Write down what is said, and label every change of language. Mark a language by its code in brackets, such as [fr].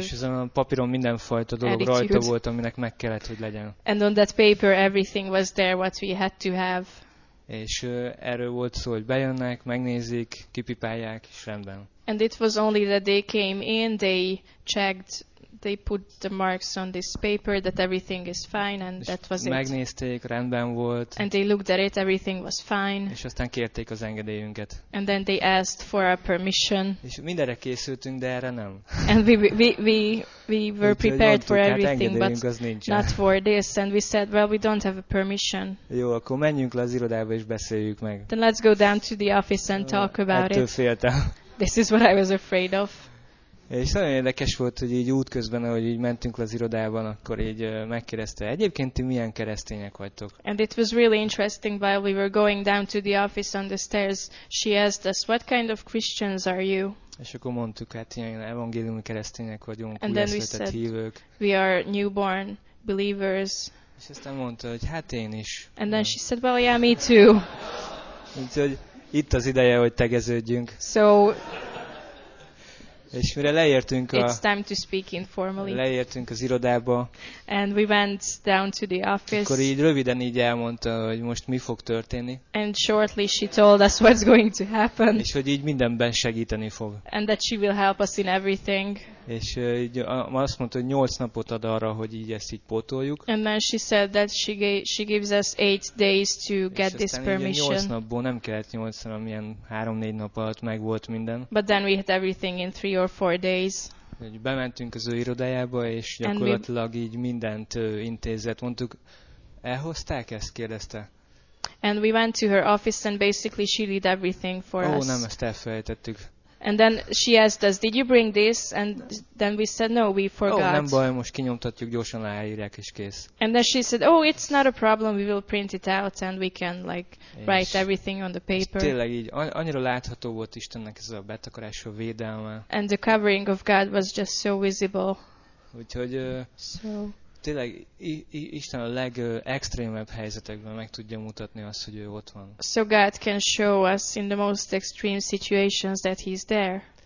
[hu] És ezen a papíron mindenfajta dolog rajta volt, aminek meg kellett, hogy legyen. [en] And on that paper everything was there what we had to have. [hu] És erről volt szó, hogy bejönnek, megnézik, kipipálják, és rendben. [en] And it was only that they came in, they checked, they put the marks on this paper that everything is fine, and that was it. [hu] Megnézték, rendben volt. [en] And they looked at it, everything was fine. [hu] És aztán kérték az engedélyünket. [en] And then they asked for our permission. [hu] És mindenre készültünk, de erre nem. [en] And we were prepared for everything, but not for this. And we said, well, we don't have a permission. [hu] Jó, akkor menjünk le az irodába és beszéljük meg. [en] Then let's go down to the office and talk about [hu] it. Ettől féltem. [en] This is what I was afraid of. [hu] És nagyon érdekes volt, hogy így útközben, ahogy így mentünk le az irodában, akkor így megkérdezte, egyébként ti milyen keresztények vagytok? [en] And it was really interesting while we were going down to the office on the stairs, she asked us, what kind of Christians are you? [hu] És akkor mondtuk, hát ilyen evangéliumi keresztények vagyunk, újjászületett hívők. [en] We are newborn believers. [hu] És aztán mondta, hogy hát én is. [en] And then she said, well, yeah, me too. [hu] Úgyhogy itt az ideje, hogy tegeződjünk. [en] So... [hu] És mire leértünk a [en] It's time to speak informally. [hu] Leértünk az irodába. [en] And we went down to the office. [hu] Akkor így röviden így elmondta, hogy most mi fog történni. [en] And shortly she told us what's going to happen. [hu] És hogy így mindenben segíteni fog. [en] And that she will help us in everything. [hu] És így azt mondta, hogy 8 napot ad arra, hogy így ezt így pótoljuk. [en] And then she said that she gives us 8 days to get this permission. [hu] És aztán 8 napból nem kellett 8, hanem ilyen 3-4 nap alatt megvolt minden. [en] But then we had everything in 3 or 4 days. [hu] Bementünk az ő irodájába, és gyakorlatilag így mindent intézett. Mondtuk, elhozták ezt? Kérdezte. [en] And we went to her office and basically she did everything for us. [hu] Ó, nem, ezt elfelejtettük. [en] And then she asked us, did you bring this? And then we said, no, we forgot. [hu] Ó, nem baj, most kinyomtatjuk, gyorsan leírják, és kész. [en] And then she said, oh, it's not a problem, we will print it out, and we can, like, write everything on the paper. [hu] És tényleg így, annyira látható volt Istennek ez a betakarásról védelme. [en] And the covering of God was just so visible. [hu] Úgyhogy, tényleg Isten a legextrémebb helyzetekben meg tudja mutatni azt, hogy ő ott van. [en] So God can show us in the most extreme situations that he's there.